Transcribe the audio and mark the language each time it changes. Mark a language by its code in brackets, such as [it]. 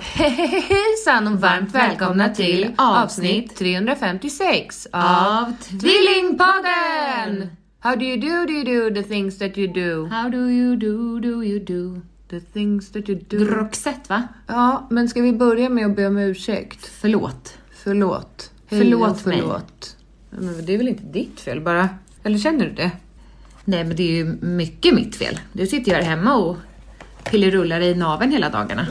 [sv] Hejsan och varmt välkomna till avsnitt 356 av Tvillingpodden! [en] How do you do, the things that you do? How do, you do, the things that you do? [sv] Groxet, va? Ja, men ska vi börja med att be om ursäkt? Förlåt. Förlåt. Förlåt, förlåt mig. Men det är väl inte ditt fel bara? Eller känner du det? Nej, men det är ju mycket mitt fel. Du sitter ju här hemma och piller rullar i naven hela dagarna.